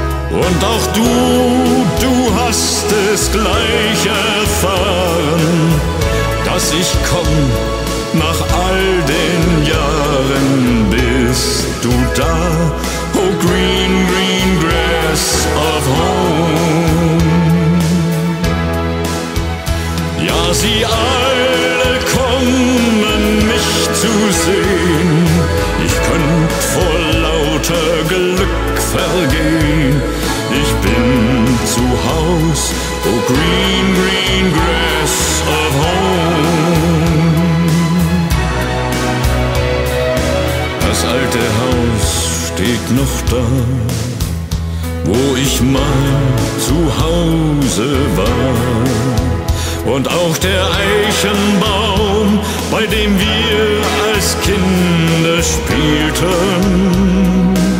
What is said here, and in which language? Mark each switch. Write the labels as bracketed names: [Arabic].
[German] Und auch du, du hast es gleich erfahren, dass ich komm, nach all den Jahren bist du da. [English] Oh, green, green grass of home. [German] Ja, sie alle kommen, mich zu sehen. Ich könnt vor lauter Glück vergehen. Ich bin zu Haus. [English] Oh, green, green grass of home. [German] Das alte Haus steht noch da, wo ich mal zu Hause war. und auch der Eichenbaum, bei dem wir als Kinder spielten.